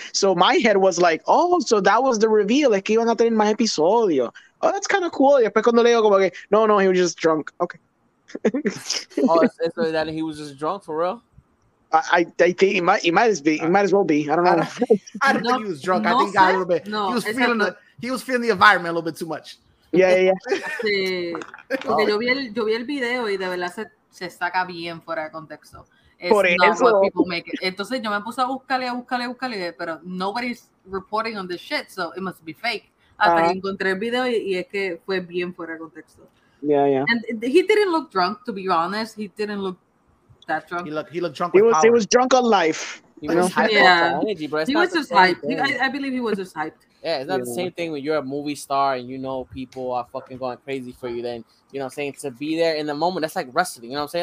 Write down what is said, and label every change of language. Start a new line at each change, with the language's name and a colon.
English: So my head was like, oh, so that was the reveal, like,
Spanish: que iban a tener más episodio.
English: Oh, that's kind of cool.
Spanish: Y después cuando leo, como que, no,
English: he was just drunk. Okay. Oh, so that he was just drunk for real? I think he might as well be. I don't know. I don't think he was drunk. No, I think he got a little bit. No, he was feeling the environment a little bit too much. Yeah.
Spanish: yo vi el video y de verdad se saca bien fuera de contexto. Entonces yo me puse a buscarle, pero
English: nobody's reporting on this shit, so it must be fake.
Spanish: Hasta que encontré el video y es que fue bien fuera de contexto.
English: Yeah. And he didn't look drunk, to be honest. He didn't look that drunk. He looked drunk. He was drunk on life. He was just hyped. I believe he was just hyped. Yeah, it's not the same thing when you're a movie star and you know people are fucking going crazy for you. Then, you know what I'm saying? To be there in the moment, that's like wrestling. You know what I'm saying?